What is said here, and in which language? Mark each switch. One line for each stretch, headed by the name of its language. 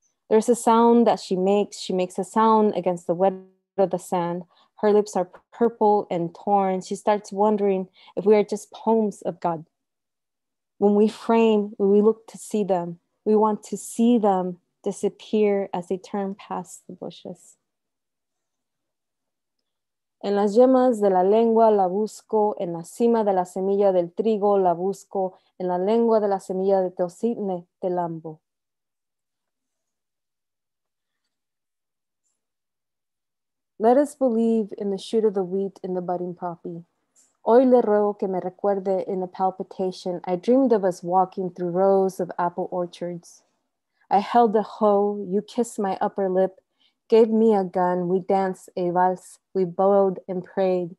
English: There's a sound that she makes. She makes a sound against the wet of the sand. Her lips are purple and torn. She starts wondering if we are just poems of God. When we frame, when we look to see them, we want to see them disappear as they turn past the bushes.
Spanish: En las yemas de la lengua la busco, en la cima de la semilla del trigo la busco, en la lengua de la semilla de teocitne te lambo.
English: Let us believe in the shoot of the wheat in the budding poppy.
Spanish: Hoy le ruego que me recuerde
English: in a palpitation. I dreamed of us walking through rows of apple orchards. I held a hoe, you kissed my upper lip, gave me a gun, we danced a vals, we bowed and prayed.